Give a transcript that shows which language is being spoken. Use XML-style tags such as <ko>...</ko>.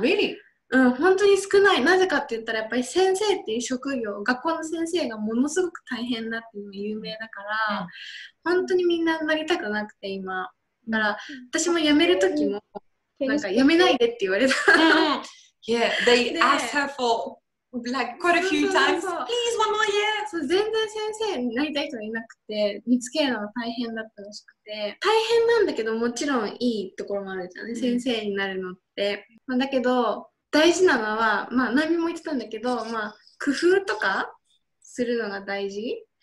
<en>Really?</en> <ja>うん、本当に少ない。なぜかって言ったら、やっぱり先生っていう職業、学校の先生がものすごく大変だっていうのが有名だから、本当にみんななりたくなくて、今。だから、私も辞めるときも、なんか辞めないでって言われた。</ja> <en>Yeah, they asked her for, like, quite a few times. Please, one more year!</en> <ja>そう、全然先生になりたい人がいなくて、見つけるのが大変だったらしくて、大変なんだけど、もちろんいいところもあるじゃんね、先生になるのって。まあ、だけど、大事なのは、まあ、何も言ってたんだけど、まあ、工夫とかするのが大事。</ja>